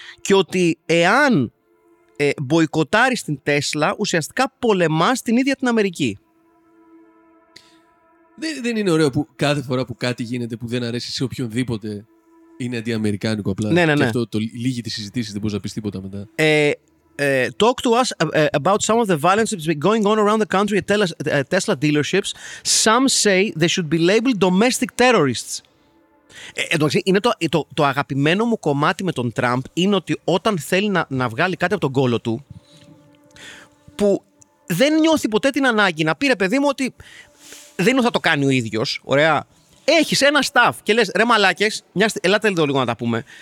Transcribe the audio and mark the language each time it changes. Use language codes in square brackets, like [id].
[el] Και ότι εάν μποϊκοτάρεις την Τέσλα, ουσιαστικά πολεμάς την ίδια την Αμερική. Δεν είναι ωραίο που κάθε φορά που κάτι γίνεται που δεν αρέσει σε οποιονδήποτε είναι αντιαμερικάνικο απλά. Ναι, ναι, ναι. Και αυτό το λίγη τη συζήτηση, δεν μπορείς να πεις τίποτα μετά. [en] Talk to us about some of the violence that's been going on around the country at Tesla dealerships. Some say they should be labeled domestic terrorists. [el] Είναι το αγαπημένο μου κομμάτι με τον Τραμπ, είναι ότι όταν θέλει να βγάλει κάτι από τον κόλο του, που δεν νιώθει ποτέ την ανάγκη να πει, ρε παιδί μου, ότι δεν θα το κάνει ο ίδιος, ωραία. Έχεις ένα staff και λες, ρε μαλάκες, ελάτε εδώ λίγο να τα πούμε.